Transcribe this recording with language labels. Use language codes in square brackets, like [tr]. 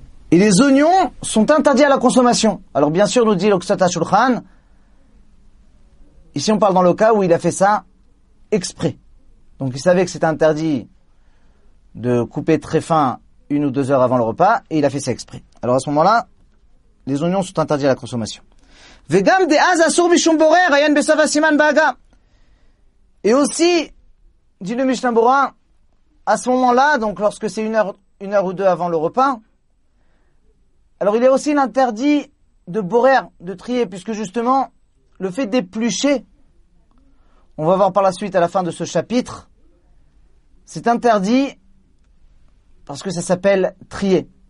[fr] Et les oignons sont interdits à la consommation. Alors bien sûr, nous dit l'Oksata Shulchan, ici on parle dans le cas où il a fait ça exprès. Donc il savait que c'était interdit de couper très fin une ou deux heures avant le repas, et il a fait ça exprès. Alors à ce moment-là, les oignons sont interdits à la consommation. [he] וגם דאז אסור משום בורר, עיין בסוף הסימן בהגה. [fr] Et aussi, dit le Mishnah Bora, à ce moment-là, donc lorsque c'est une heure ou deux avant le repas, alors il y a aussi l'interdit de borer, de trier, puisque justement, le fait d'éplucher, on va voir par la suite à la fin de ce chapitre, c'est interdit parce que ça s'appelle trier.